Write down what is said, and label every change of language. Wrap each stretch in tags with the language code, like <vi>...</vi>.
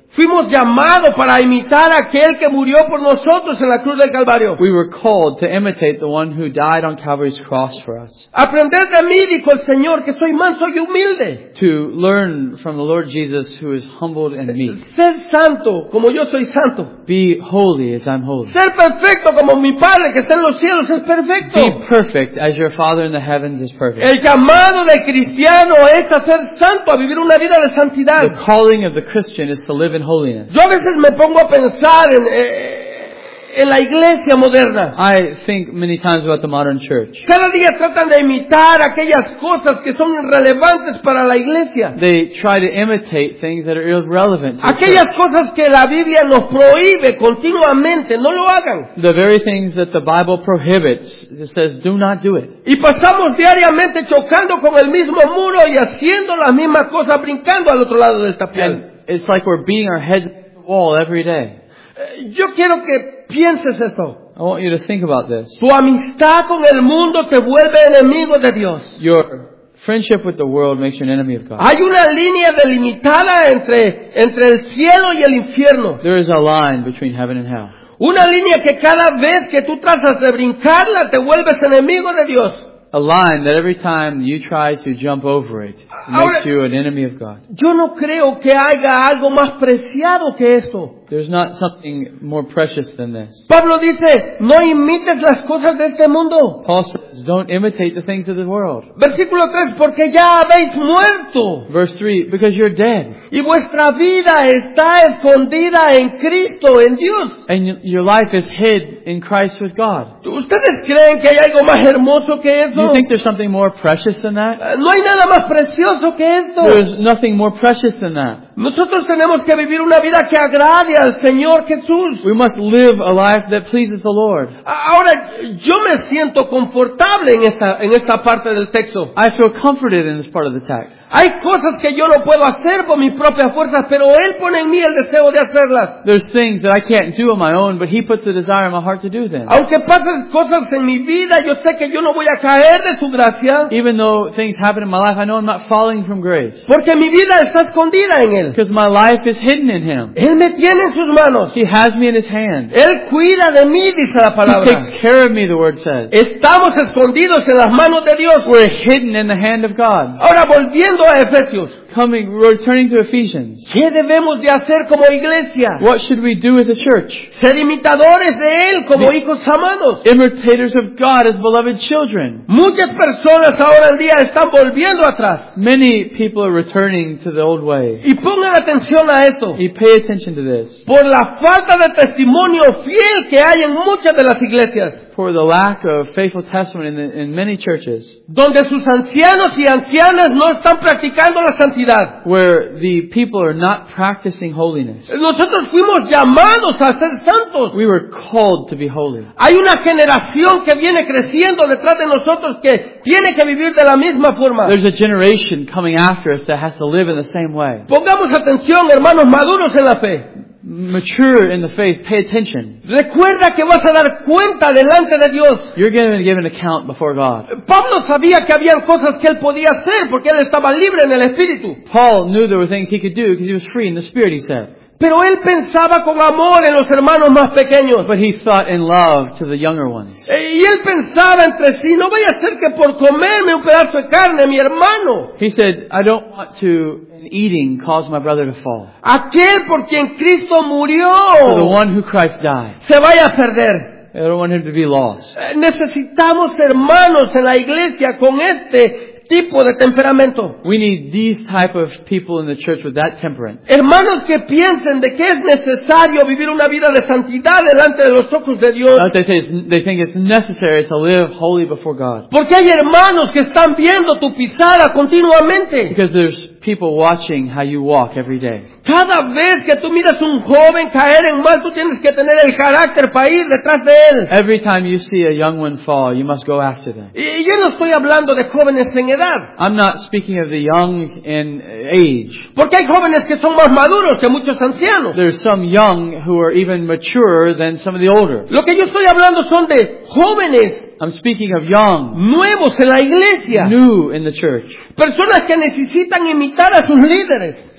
<es>Fuimos llamados para imitar a aquel que murió por nosotros en la cruz del Calvario.</es> <en>We were called to imitate the one who died on Calvary's cross for us.</en> <es>Aprender de mí, dijo el Señor, que soy manso y humilde.</es> <en>To learn from the Lord Jesus, who is humbled and meek.</en> <es>Ser santo como yo soy santo.</es> <en>Be holy as I'm holy.</en> <es>Ser perfecto como mi Padre que está en los cielos es perfecto.</es> <en>Be perfect as your Father in the heavens is perfect.</en> <es>El llamado de cristiano es a ser santo, a vivir una vida de santidad.</es> <en>The calling of the Christian is to live in holiness.</en> <es>Yo a veces me pongo a pensar en la iglesia moderna.</es> <en>I think many times about the modern church.</en> <es>Cada día tratan de imitar aquellas cosas que son irrelevantes para la iglesia.</es> <en>They try to imitate things that are irrelevant.</en> <es>Aquellas cosas que la Biblia nos prohíbe continuamente, no lo hagan.</es> <en>The very things that the Bible prohibits, it says, do not do it.</en> <es>Y pasamos diariamente chocando con el mismo muro y haciendo la misma cosa, brincando al otro lado del tapial.</es> <en>it's like we're beating our heads against the wall every day.</en> <es>Yo quiero que pienses esto.</es> <en>I want you to think about this.</en> <es>Tu amistad con el mundo te vuelve enemigo de Dios.</es> <en>Your friendship with the world makes you an enemy of God.</en> <es>Hay una línea delimitada entre el cielo y el infierno.</es> <en>There is a line between heaven and hell.</en> <es>Una línea que cada vez que tú tratas de brincarla te vuelves enemigo de Dios.</es> <en>A line that every time you try to jump over it makes</en> <es>Ahora,</es> <en>you an enemy of God.</en> <es>Yo no creo que haya algo más preciado que esto.</es> <en>There's not something more precious than this.</en> <es>Pablo dice, no imites las cosas de este mundo.</es> <en>Paul says, don't imitate the things of the world.</en> <es>Versículo 3, porque ya habéis muerto.</es> <en>Verse 3, because you're dead.</en> <es>Y vuestra vida está escondida en Cristo, en Dios.</es> <en>And your life is hid in Christ with God.</en> <es>¿Ustedes creen que hay algo más hermoso que esto?</es> <en>You think there's something more precious than that?</en> <es>No hay nada más precioso que esto.</es> <en>There's nothing more precious than that.</en> <es>Nosotros tenemos que vivir una vida que agrade.</es> <en>We must live a life that pleases the Lord.</en> <es>Ahora, yo me siento confortable en esta parte del texto.</es> <en>I feel comforted in this part of the text.</en> <es>Hay cosas que yo no puedo hacer por mis propias fuerzas, pero Él pone en mí el deseo de hacerlas.</es> <en>There's things that I can't do on my own, but He puts the desire in my heart to do them.</en> <es>Aunque pasen cosas en mi vida, yo sé que yo no voy a caer de su gracia.</es> <en>Even though things happen in my life, I know I'm not falling from grace.</en> <es>Porque mi vida está escondida en Él.</es> <en>Because my life is hidden in Him.</en> <es>Él me tiene en sus manos.</es> <en>He has me in His hand.</en> <es>Él cuida de mí, dice la palabra.</es> <en>He takes care of me, the word says.</en> <es>Estamos escondidos en las manos de Dios.</es> <en>We're hidden in the hand of God.</en> <es>Ahora volviendo a Efesios.</es> <en>Coming, returning to Ephesians.</en> <es>¿Qué debemos de hacer como iglesia?</es> <en>What should we do as a church?</en> <es>Ser imitadores de Él como hijos amados.</es> <en>Imitators of God as beloved children.</en> <es>Muchas personas ahora en día están volviendo atrás.</es> <en>Many people are returning to the old way.</en> <es>Y pongan atención a eso.</es> <en>Y pay attention to this.</en> <es>Por la falta de testimonio fiel que hay en muchas de las iglesias.</es> <en>For the lack of faithful testimony in many churches.</en> <es>Donde sus ancianos y ancianas no están practicando la santidad.</es> <en>Where the people are not practicing holiness.</en> <es>Nosotros fuimos llamados a ser santos.</es> <en>We were called to be holy.</en> <es>Hay una generación que viene creciendo detrás de nosotros que tiene que vivir de la misma forma.</es> <en>There's a generation coming after us that has to live in the same way.</en> <es>Pongamos atención, hermanos maduros en la fe.</es> <en>Mature in the faith, pay attention.</en> <es>Recuerda que vas a dar cuenta delante de Dios.</es> <en>You're going to give an account before God.</en> <es>Pablo sabía que había cosas que él podía hacer porque él estaba libre en el Espíritu.</es> <en>Paul knew there were things he could do because he was free in the Spirit, he said.</en> <es>Pero él pensaba con amor en los hermanos más pequeños.</es> <en>But he thought in love to the younger ones.</en> <es>Y él pensaba entre sí, no vaya a ser que por comerme un pedazo de carne, mi hermano.</es> <en>He said, I don't want to... eating caused my brother to fall.</en> <es>Aquel por quien Cristo murió,</es> <en>the one who Christ died,</en> <es>se vaya a perder.</es> <en>I don't want him to be lost.</en> <es>Necesitamos hermanos en la iglesia con este tipo de temperamento.</es> <en>We need these type of people in the church with that temperance.</en> <es>Hermanos que piensen de que es necesario vivir una vida de santidad delante de los ojos de Dios.</es> <en>As they think it's necessary to live holy before God.</en> <es>Porque hay hermanos que están viendo tu pisada continuamente.</es> <en>Because there's people watching how you walk every day.</en> <es>Cada vez que tú miras un joven caer en mal, tú tienes que tener el carácter para ir detrás de él.</es> <en>Every time you see a young one fall, you must go after them.</en> <es>Y yo no estoy hablando de jóvenes en edad.</es> <en>I'm not speaking of the young in age.</en> <es>Porque hay jóvenes que son más maduros que muchos ancianos.</es> <en>There's some young who are even mature than some of the older.</en> <es>Lo que yo estoy hablando son de jóvenes.</es> <en>I'm speaking of young,</en> <es>nuevos en la iglesia,</es> <en>new in the church.</en> <es>Personas que necesitan imitar a sus líderes.</es>